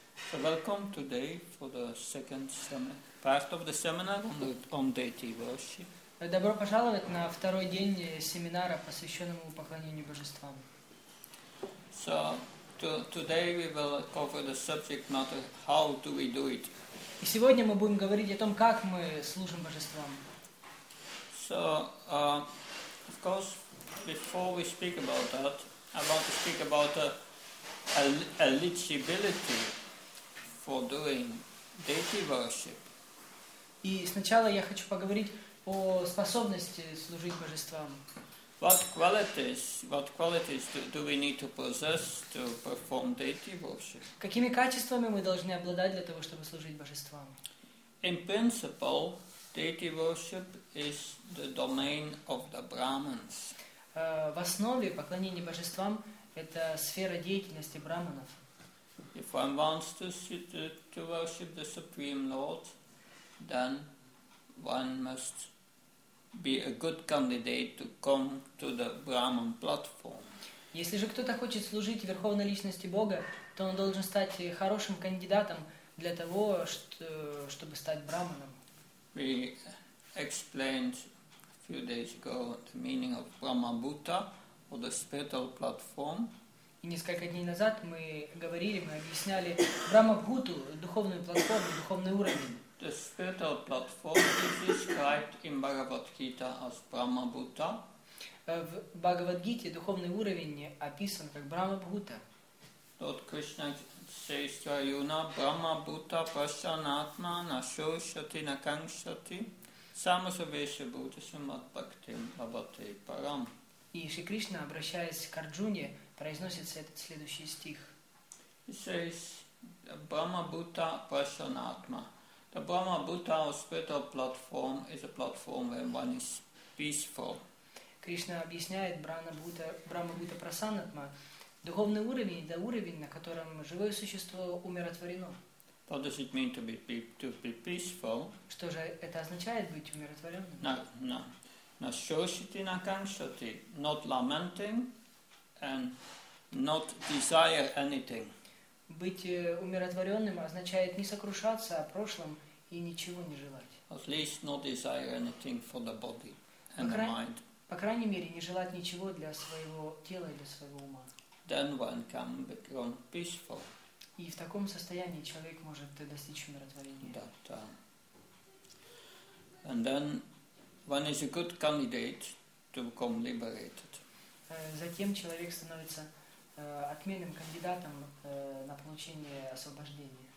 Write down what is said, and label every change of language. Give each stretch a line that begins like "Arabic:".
English: So welcome today for the second part of the seminar on deity worship.
Russian: Добро пожаловать на второй день семинара, посвященному поклонению божествам.
English: So today we will cover the subject matter: how do we do it?
Russian: И сегодня мы будем говорить о том, как мы служим божествам.
English: So of course. Before we speak about that, I want to speak about the eligibility for doing deity worship.
Russian: И сначала я хочу поговорить о способности служить божествам.
English: What qualities do we need to possess to perform deity worship?
Russian: Какими качествами мы должны обладать для того, чтобы служить божествам?
English: In principle, deity worship is the domain of the Brahmins.
Russian: В основе поклонения божествам это сфера деятельности браманов.
English: If one wants to worship the Supreme Lord, then one must be a good candidate to come to the Brahman platform.
Russian: Если же кто-то хочет служить Верховной Личности Бога, то он должен стать хорошим кандидатом для того, чтобы стать браманом.
English: We explained few days ago the meaning of Brahma-Bhuta or the spiritual platform.
Russian: И несколько дней назад мы объясняли Брахма-Бхуту, духовную платформу, духовный уровень.
English: The spiritual platform is described in Bhagavad-Gita as Brahma-Bhuta.
Russian: В Бхагавад-Гите духовный уровень описан как Брахма-Бхута.
English: Lord Krishna says to Arjuna,
Sanskrit: Brahma-Bhuta prasyanātma nasyoshati nakangshati Самосовеще будущим от бхактим абхатте парам.
Russian: И Шри Кришна, обращаясь к Арджуне, произносит этот следующий стих.
English: He says, Brahma-Bhuta Prasanatma. The Brahma-Bhuta or spiritual platform is a platform where one is peaceful.
Russian: Кришна объясняет Brahma-Bhuta Prasanatma. Духовный уровень – это уровень, на котором живое существо умиротворено.
English: What does it mean to be peaceful?
Russian: Что же это означает быть умиротворенным?
English: No.
Sanskrit: Насчёшити накамшоти,
English: not lamenting and not desire anything.
Russian: Быть умиротворенным означает не сокрушаться о прошлом и ничего не желать.
English: At least not desire anything for the body and the mind.
Russian: По крайней мере, не желать ничего для своего тела и для своего ума.
English: Then one can become peaceful.
Russian: И в таком состоянии человек может достичь умиротворения.
English: But, and then one is a good candidate to become liberated.
Russian: Затем человек становится отменным кандидатом на получение освобождения.